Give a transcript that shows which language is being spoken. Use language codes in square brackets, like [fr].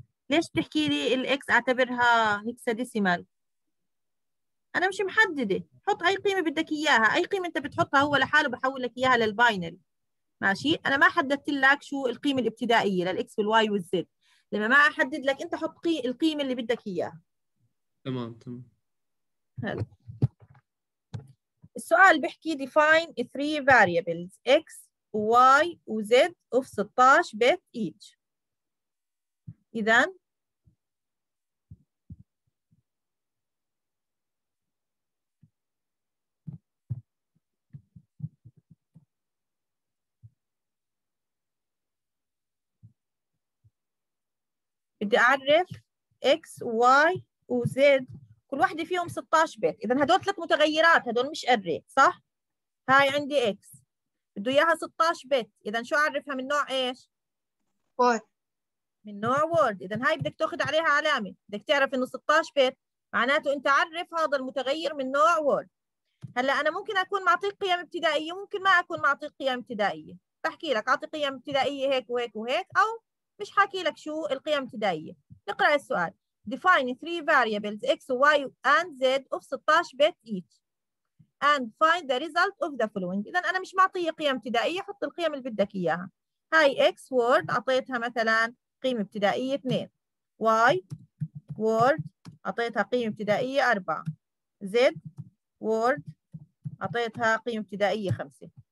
[ar] ليش بتحكي لي الاكس اعتبرها هكسا ديسيمال؟ انا مش محدده، حط اي قيمه بدك اياها، اي قيمه انت بتحطها هو لحاله بحول لك اياها للباينري، ماشي؟ انا ما حددت لك شو القيمه الابتدائيه للاكس والواي والزد، لما ما احدد لك انت حط القيمه اللي بدك اياها. تمام. السؤال بحكي [en] define three variables x y و z of 16 bit each. [ar] إذا بدي أعرف x y وزد كل واحدة فيهم 16 بيت، إذا هدول ثلاث متغيرات، هدول مش أري صح؟ هاي عندي إكس بده إياها 16 بيت، إذا شو أعرفها من نوع إيش؟ وورد. من نوع وورد، إذا هاي بدك تاخذ عليها علامة، بدك تعرف إنه 16 بيت معناته أنت عرف هذا المتغير من نوع وورد. هلا أنا ممكن أكون معطيك قيم ابتدائية، ممكن ما أكون معطيك قيم ابتدائية، بحكي لك أعطي قيم ابتدائية هيك وهيك وهيك، أو مش حاكي لك شو القيم الابتدائية. نقرأ السؤال. [en] Define three variables x, y, and z of 16 bit each. And find the result of the following. [ar] إذا أنا مش معطية قيم ابتدائية، حط القيم اللي بدك إياها. هاي x word أعطيتها مثلا قيمة ابتدائية 2. y word أعطيتها قيمة ابتدائية 4. z word أعطيتها قيمة ابتدائية 5.